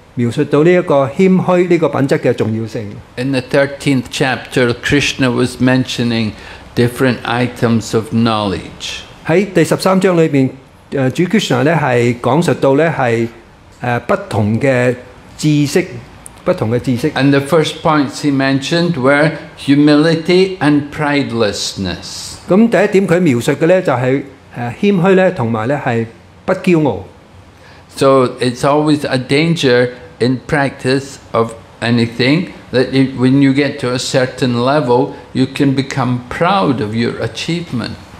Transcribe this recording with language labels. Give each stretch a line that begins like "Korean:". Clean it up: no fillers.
English: In the 13th chapter, Krishna was mentioning different items of knowledge.
Chinese: 在第13章裡面,主Krishna是講述到不同的知識。
English: And the first points he mentioned were humility and pridelessness.
Chinese: 第一點他描述的就是謙虛和不驕傲。
English: So it's always a danger in practice of anything, that when you get to a certain level, you can become proud of your achievement.